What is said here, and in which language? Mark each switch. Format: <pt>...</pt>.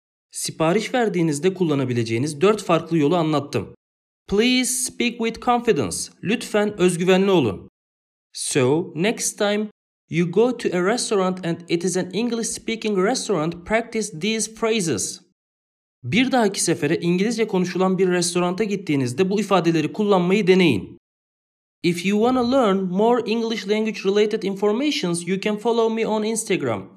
<tr>Sipariş verdiğinizde kullanabileceğiniz dört farklı yolu anlattım.</tr> <en>Please speak with confidence.</en> <tr>Lütfen özgüvenli olun.</tr> <en>So, next time you go to a restaurant and it is an English-speaking restaurant, practice these phrases.</en> <tr>Bir dahaki sefere İngilizce konuşulan bir restoranta gittiğinizde bu ifadeleri kullanmayı deneyin.</tr> <en>If you want to learn more English language related informations, you can follow me on Instagram.</en>